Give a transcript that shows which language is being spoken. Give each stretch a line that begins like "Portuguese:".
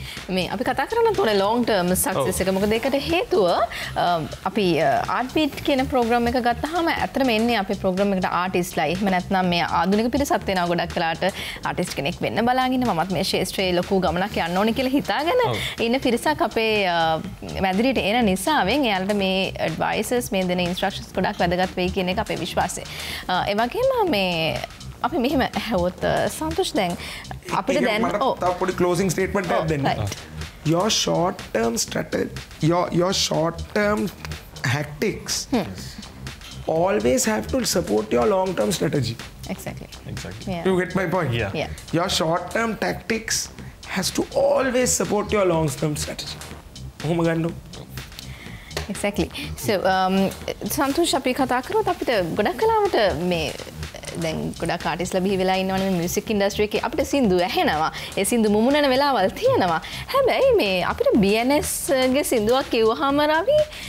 Sinhala: මේ අපි කතා කරන්න තොර ලෝන් ටර්ම් සක්සස් එක මොකද ඒකට හේතුව අපි ආර්ට්බීට් කියන ප්‍රෝග්‍රෑම් එක ගත්තාම ඇත්තටම එන්නේ අපි ප්‍රෝග්‍රෑම් එකට ආටිස්ට් ලයිෆ් නැත්නම් මේ ආධුනික පිරිසත් වෙනවා ගොඩක් වෙලාට ආටිස්ට් කෙනෙක් වෙන්න බලාගෙන ඉන්න මමත් මේ ශේෂ්ත්‍රයේ ලොකු ගමනක් යන්න ඕනේ කියලා හිතාගෙන ඉන්න පිරිසක් අපේ මැදිරියට එන නිසාවෙන් එයාලට මේ ඇඩ්වයිසස් මේ දෙන ඉන්ස්ට්‍රක්ෂන්ස් ගොඩක් වැදගත් වෙයි කියන එක අපේ විශ්වාසය. ඒ වගේම මේ අපි මෙහෙම හැවොත් සන්තුෂ් දැන් අපිට දැන් ඔව් පොඩි ක්ලෝසිං ස්ටේට්මන්ට් එකක් දෙන්න.
English: Your short term strategy, your short term tactics always have to support your long term strategy. Exactly. You get my point? Yeah. Your short term tactics has to always support your long term strategy.
Sinhala: ඔහොම ගන්න ඕ.
English: Exactly.
Sinhala: So සන්තුෂ් අපි කතා කරොත් අපිට ගොඩක් කලාවට මේ දැන් ගොඩක් ආටිස්ලා බිහි වෙලා ඉන්නවනේ මියුසික් ඉන්ඩස්ට්‍රි එකේ අපිට සින්දු ඇහෙනවා ඒ සින්දු මුමුණන වෙලාවල් තියෙනවා හැබැයි මේ අපිට BNS ගේ සින්දුවක් කිව්වහම රවි